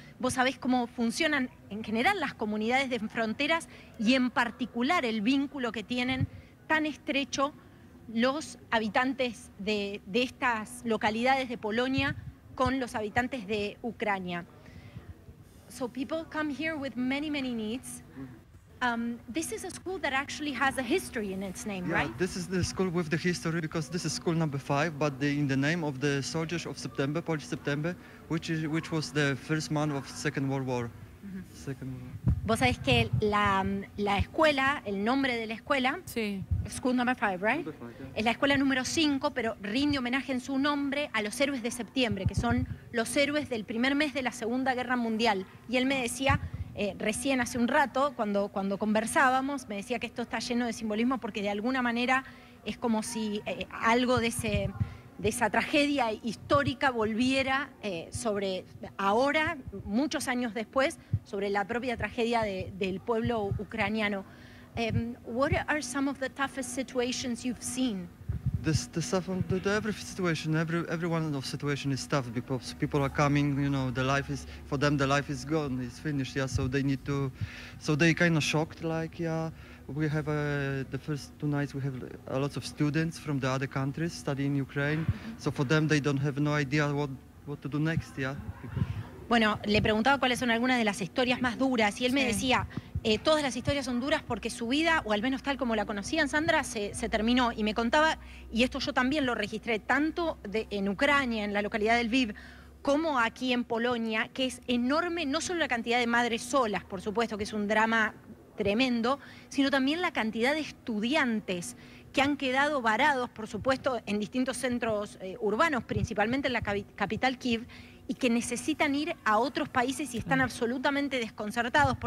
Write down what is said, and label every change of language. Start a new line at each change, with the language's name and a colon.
Spanish: Vos sabés cómo funcionan en general las comunidades de fronteras y en particular el vínculo que tienen tan estrecho los habitantes de estas localidades de Polonia con los habitantes de Ucrania.
English: So people come here with many, many needs. This is a school that actually has a history in its name, yeah, right? Yeah, this is the school with the history because this is school number 5, but in the name of the soldiers of September, Polish September, which was the first month of Second World War.
Spanish: Vos sabés que la escuela, el nombre de la escuela, sí.
English: School number 5, right? Number five, yeah.
Spanish: Es la escuela número 5, pero rinde homenaje en su nombre a los héroes de septiembre, que son los héroes del primer mes de la Segunda Guerra Mundial. Y él me decía, recién hace un rato, cuando conversábamos, me decía que esto está lleno de simbolismo porque de alguna manera es como si algo de esa tragedia histórica volviera sobre ahora, muchos años después, sobre la propia tragedia del pueblo ucraniano.
English: What are some of the toughest situations you've seen? this the every situation, everyone of situation is tough because people are coming, you know, the life is for them, the life is gone, it's finished, yeah, so they need to, so they kind of shocked, like, yeah, we have the first two nights we have a lot of students from the other countries studying in Ukraine, so for them they don't have no idea what to do next, yeah.
Spanish: Bueno, le preguntaba cuáles son algunas de las historias más duras y él me decía, todas las historias son duras porque su vida, o al menos tal como la conocían, Sandra, se terminó. Y me contaba, y esto yo también lo registré, tanto en Ucrania, en la localidad de Lviv, como aquí en Polonia, que es enorme, no solo la cantidad de madres solas, por supuesto, que es un drama tremendo, sino también la cantidad de estudiantes que han quedado varados, por supuesto, en distintos centros urbanos, principalmente en la capital Kiev, y que necesitan ir a otros países y están absolutamente desconcertados.